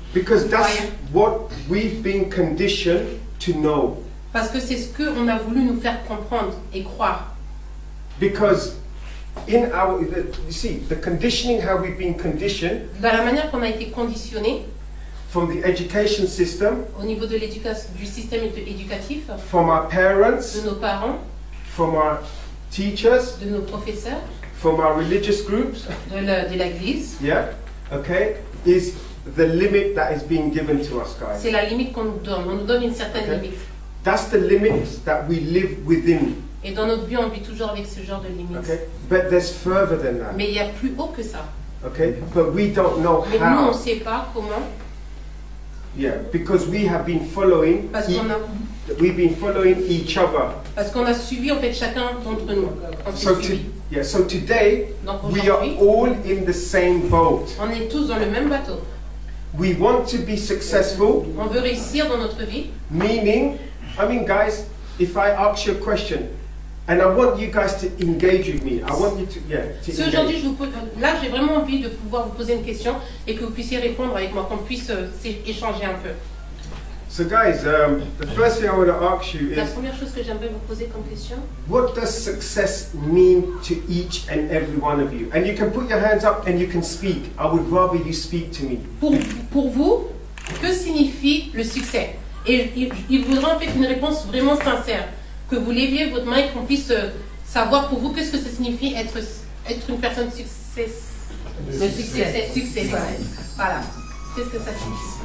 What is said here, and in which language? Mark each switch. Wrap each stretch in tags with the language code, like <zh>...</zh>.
<en>Because that's what we've been conditioned to know.</en> <fr>Parce que c'est ce que on a voulu nous faire comprendre et croire.</fr> <en>Because in our, you see, the conditioning how we've been conditioned.</en> <fr>Dans la manière qu'on a été conditionné.</fr> <en>From the education system,</en> <fr>au niveau de l'éducation, du système éducatif,</fr> <en>from our parents,</en> <fr>de nos parents,</fr> <en>from our teachers,</en> <fr>de nos professeurs,</fr> <en>from our religious groups,</en> <fr>de l'église,</fr> <en>yeah, okay, is the limit that is being given to us, guys.</en> <fr>C'est la limite qu'on nous donne. On nous donne une certaine limite.</fr> <en>That's the limit that we live within.</en> <fr>Et dans notre vie, on vit toujours avec ce genre de limite.</fr> <en>Okay, but there's further than that.</en> <fr>Mais il y a plus haut que ça.</fr> <en>Okay, but we don't know</en> <fr>Mais</fr> <en>how.</en> <fr>Mais nous, on ne sait pas comment.</fr> <en>Yeah, because we have been following. We've been following each other.</en> <fr>Parce qu'on a suivi en fait chacun d'entre nous.</fr> <en>So to, Yeah, so today, we are all in the same boat.</en> <fr>On est tous dans le même bateau.</fr> <en>We want to be successful.</en> <fr>On veut réussir dans notre vie.</fr> <en>Meaning, I mean, guys, if I ask you a question, and I want you guys to engage with me. I want you to, yeah, to engage.</en> <fr>Aujourd'hui, je vous pose, là, j'ai vraiment envie de pouvoir vous poser une question et que vous puissiez répondre avec moi, qu'on puisse échanger un peu.</fr> <en>So guys, the first thing I want to ask you is,</en> <fr>la première chose que j'aimerais vous poser comme question,</fr> <en>what does success mean to each and every one of you? And you can put your hands up and you can speak. I would rather you speak to me.</en> <fr>Pour vous, que signifie le succès? Et il voudrait en fait une réponse vraiment sincère. Que vous leviez votre main et qu'on puisse savoir pour vous qu'est-ce que ça signifie être une personne de succès. Le succès. Succès. Voilà. Qu'est-ce que ça signifie?</fr>